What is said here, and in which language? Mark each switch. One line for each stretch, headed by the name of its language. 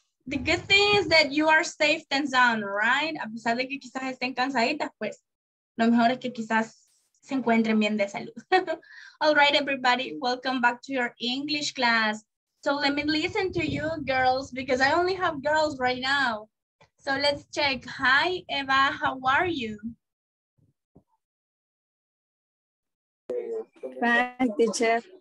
English: The good thing is that you are safe and sound, right?
Spanish: A pesar de que quizás estén cansaditas, pues lo mejor es que quizás se encuentren bien de salud.
English: All right, everybody, welcome back to your English class. So let me listen to you girls, because I only have girls right now. So let's check. Hi, Eva, how are you? Fine, teacher.